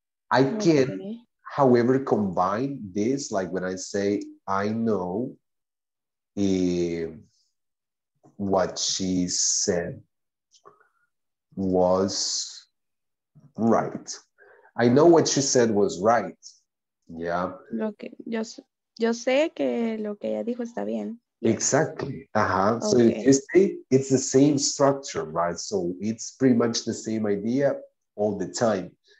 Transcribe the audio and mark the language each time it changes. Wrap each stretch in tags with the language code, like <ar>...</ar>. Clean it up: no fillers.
<en>I can, however, combine this, like when I say, I know, what she said was right. I know what she said was right. Yeah. Okay.</en> <es>Yo sé que lo que ella dijo está bien.</es> <en>Exactly. Uh-huh. Okay. So you see, it's the same structure, right? So it's pretty much the same idea all the time.</en>